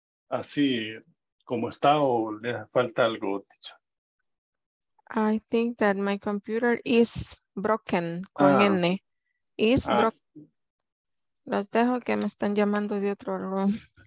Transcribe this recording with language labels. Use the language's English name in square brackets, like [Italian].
[Spanish] Así, ¿cómo está o le falta algo, teacher? [English] I think that my computer is broken, [Spanish] con N. [English] Is broken. [Spanish] Los dejo que me están llamando de otro room.